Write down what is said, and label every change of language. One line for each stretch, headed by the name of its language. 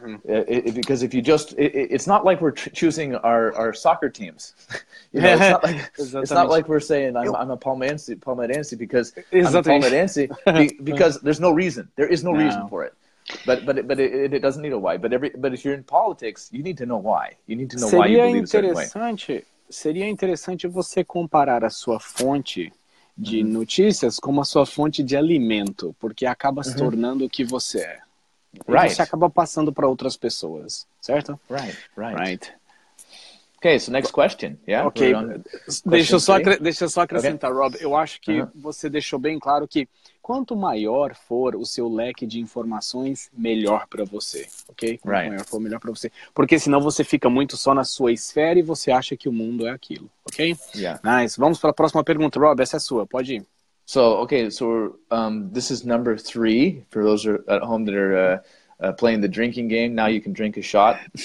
English: Because if you just – it's not like we're choosing our soccer teams. You know, it's not like we're saying I'm a Palmeirense because exactly. I'm a Palmeirense because there's no reason. There is no reason for it. But it doesn't need a why. But if you're in politics, you need to know why. You need to know
Portuguese: seria
English: why you believe a certain way.
Portuguese: Seria interessante você comparar a sua fonte de notícias com a sua fonte de alimento, porque acaba se tornando o que você é.
English: Right.
Portuguese: E você acaba passando para outras pessoas, certo?
English: Right. Okay, so next question. Yeah.
Portuguese: Okay. Deixa eu só acrescentar, okay. Rob. Eu acho que você deixou bem claro que quanto maior for o seu leque de informações, melhor para você. Ok? Quanto maior for, melhor para você. Porque senão você fica muito só na sua esfera e você acha que o mundo é aquilo. Ok?
English: Yeah.
Portuguese: Nice. Vamos para a próxima pergunta, Rob. Essa é sua. Pode ir.
English: So, okay. So, this is number three for those at home that are. Playing the drinking game, now you can drink a shot.